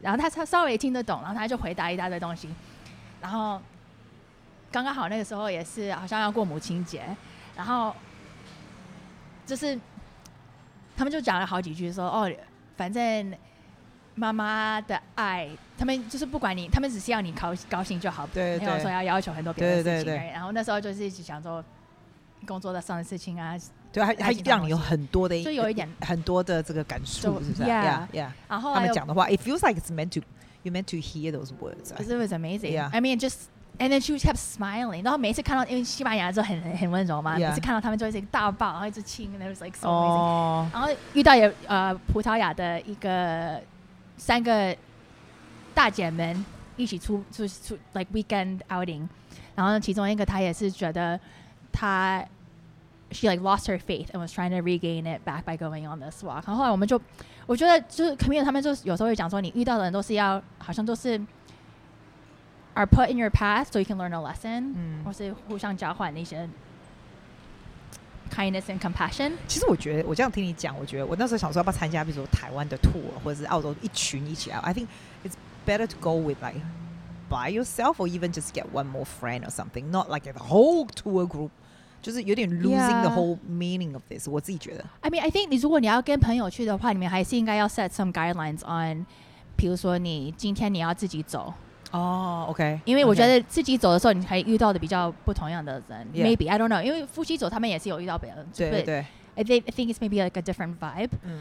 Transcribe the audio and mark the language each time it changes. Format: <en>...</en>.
<zh>然后他稍微听得懂，然后他就回答一大堆东西。然后刚刚好那个时候也是好像要过母亲节，然后就是他们就讲了好几句说，说哦，反正妈妈的爱，他们就是不管你，他们只是要你高兴就好，对对，没有说要要求很多别的事情。对对对对，然后那时候就是一直想说工作的上的事情啊，对，还让你有很多的，就有一点很多的这个感触，是不是</zh> <en>？Yeah, yeah。</en> <zh>然后他们讲的话</zh> <en>，It feels like it's meant to, you meant to hear those words. It was amazing. Yeah, I mean, just and then she kept smiling.</en> <zh>然后每次看到，因为西班牙就很温柔嘛，</zh> <en>yeah.</en> <zh>每次看到他们就是一个大抱，然后一直亲 ，</zh> <en>and it was like so amazing.、 Oh.</en> <zh>然后遇到也葡萄牙的一个。三个大姐们一起出</zh> <en>like weekend outing，</en> <zh>然后其中一个她也是觉得她</zh> <en>she like lost her faith and was trying to regain it back by going on this walk.</en> <zh>然后后来我们就，我觉得就是 Camino 他们就有时候会讲说，你遇到的人都是要好像都是</zh> <en>are put in your path so you can learn a lesson，</en> <zh>或是互相交换那些</zh> <en>kindness and compassion.</en> <zh>其实我觉得我这样听你讲，我觉得我那时候想说要不要参加，比如说台湾的 tour 或者是澳洲一群一起来。</zh> <en>I think it's better to go with like. By yourself, or even just get one more friend or something, not like a whole tour group.</en> <zh>就是有点</zh> <en>losing、yeah. the whole meaning of this.</en> <zh>我自己觉得</zh> <en>I mean, I think</en> <zh>你如果你要跟朋友去的话，你们还是应该要</zh> <en>set some guidelines on.</en> <zh>比如说你今天你要自己走。</zh> <en>Oh, okay.</en> <zh>因为我觉得自己走的时候，你可以遇到的比较不同样的人。</zh> <en>Yeah. Maybe I don't know.</en> <zh>因为夫妻走，他们也是有遇到别人。对对对。</zh> <en>I think it's maybe like a different vibe.</en>